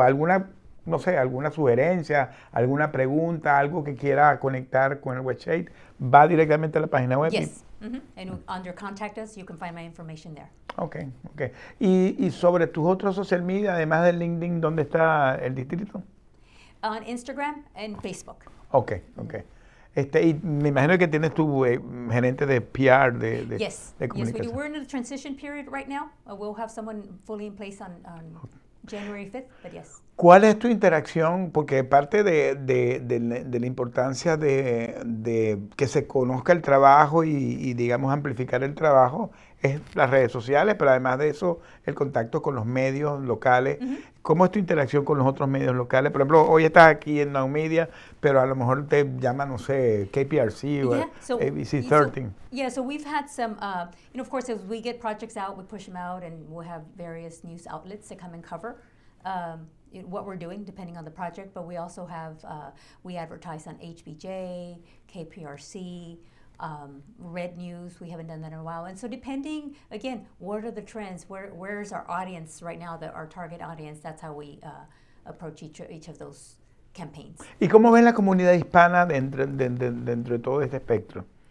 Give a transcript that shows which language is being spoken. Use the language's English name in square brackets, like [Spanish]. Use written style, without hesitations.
[Spanish] ¿Alguna, no sé, alguna sugerencia, alguna pregunta, algo que quiera conectar con el WestChase? ¿Va directamente a la página web? [English] Yes. Mm-hmm. And under Contact Us, you can find my information there. Okay. [Spanish] ¿Y sobre tus otros social media, además del LinkedIn, dónde está el distrito? [English] On Instagram and Facebook. [Spanish] Okay. Y me imagino que tienes tu gerente de PR de [English] yes. [Spanish] De comunicación. [English] Yes, we do. We're in a transition period right now. We'll have someone fully in place on January 5th, but yes. [Spanish] ¿Cuál es tu interacción? Porque parte de la importancia de que se conozca el trabajo y digamos amplificar el trabajo es las redes sociales, pero además de eso, el contacto con los medios locales. Mm-hmm. ¿Cómo es tu interacción con los otros medios locales? Por ejemplo, hoy estás aquí en Now Media, pero a lo mejor te llama, no sé, KPRC o ABC 13. [English] So we've had some, you know, of course, as we get projects out, we push them out and we'll have various news outlets that come and cover. What we're doing, depending on the project, but we also have, we advertise on HBJ, KPRC, Red News, we haven't done that in a while. And so depending, again, what are the trends, where's our audience right now, our target audience, that's how we approach each of those campaigns. [Spanish] ¿Y cómo ven la comunidad hispana dentro de todo este espectro?